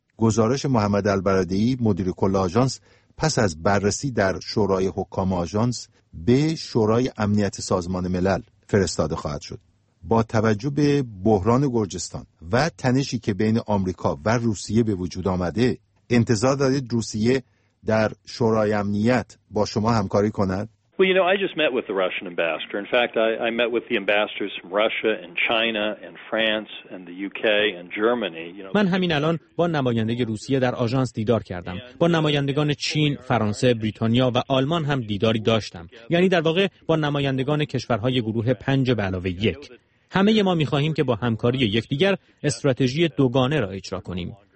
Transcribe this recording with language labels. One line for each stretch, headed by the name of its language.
Persian: گزارش محمد البرادعی، مدیر کل آژانس، پس از بررسی در شورای حکام آژانس به شورای امنیت سازمان ملل فرستاده خواهد شد. با توجه به بحران گرجستان و تنشی که بین آمریکا و روسیه به وجود آمده، انتظار دارید روسیه در شورای امنیت با شما همکاری کند؟
English: Well, you know, I just met with the Russian ambassador. In fact, I met with the ambassadors from Russia and China and France and the UK and Germany.
Persian: من همین الان با نماینده روسیه در آژانس دیدار کردم. با نمایندگان چین، فرانسه، بریتانیا و آلمان هم دیداری داشتم. یعنی در واقع با نمایندگان کشورهای گروه 5 به علاوه 1. همه ما می‌خواهیم که با همکاری یکدیگر استراتژی دوگانه را اجرا کنیم.